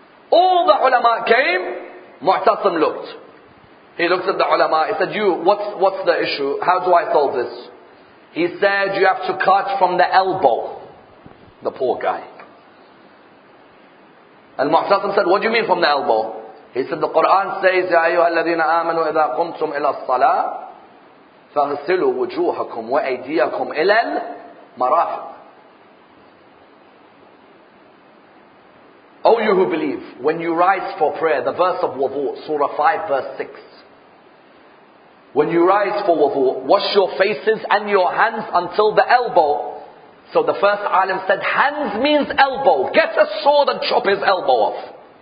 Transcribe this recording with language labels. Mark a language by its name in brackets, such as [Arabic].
[English] All the ulama came, Mu'tasim looked. He looked at the ulama, he said, you, what's the issue? How do I solve this? He said, you have to cut from the elbow. The poor guy. And Mu'tasim said, what do you mean from the elbow? He said, the Quran says, [Arabic] يَا أَيُّهَا الَّذِينَ آمَنُوا إِذَا قُمْتُمْ إِلَى الصَّلَاةِ فَغْسِلُوا وُجُوهَكُمْ وَأَيْدِيَكُمْ إِلَى الْمَرَافِقِ. [English] O you who believe, when you rise for prayer, the verse of Wudu, Surah 5, verse 6, when you rise for wudu, wash your faces and your hands until the elbow. So the first alim said, hands means elbow. Get a sword and chop his elbow off.